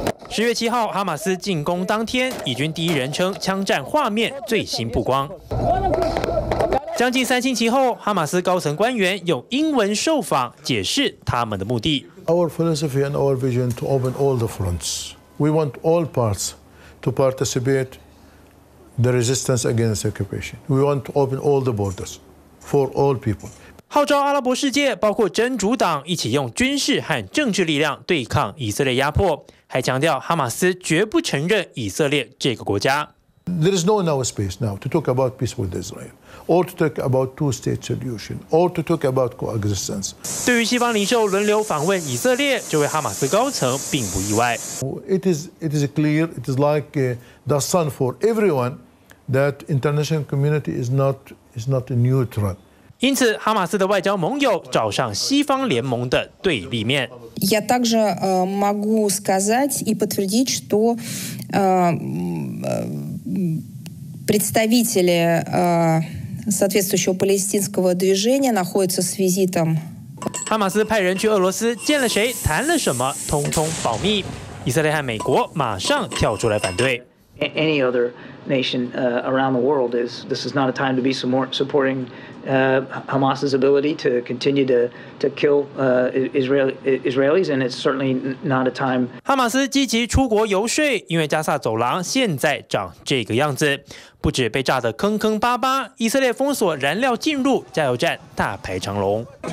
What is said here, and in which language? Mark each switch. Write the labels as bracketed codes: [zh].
[zh] 10月7号，哈马斯进攻当天，以军第一人称枪战画面最新曝光。将近3星期后，哈马斯高层官员用英文受访解释他们的目的。 [en] Our philosophy and our vision to open all the fronts. We want all parts to participate the resistance against occupation. We want to open all the borders for all people. [zh] 号召阿拉伯世界，包括真主党，一起用军事和政治力量对抗以色列压迫，还强调哈马斯绝不承认以色列这个国家。 [en] There is no now space now to talk about peace with Israel, or to talk about two-state solution, or to talk about coexistence. [zh] 对于西方领袖轮流访问以色列，这位哈马斯高层并不意外。 [en] It is clear, it is like the sun for everyone that international community is not neutral. [zh] 因此，哈马斯的外交盟友找上西方联盟的对立面。 [ru] Я также могу сказать и подтвердить, что представители соответствующего палестинского движения находятся с визитом. [zh] 哈马斯派人去俄罗斯见了谁、谈了什么，通通保密。以色列和美国马上跳出来反对。 [en] Any other nation around the world is this is not a time to be supporting. Hamas's ability to continue to kill Israelis, and it's certainly not a time. [zh] 哈马斯积极出国游说，因为加萨走廊现在长这个样子，不止被炸得坑坑巴巴，以色列封锁燃料进入加油站，大排长龙。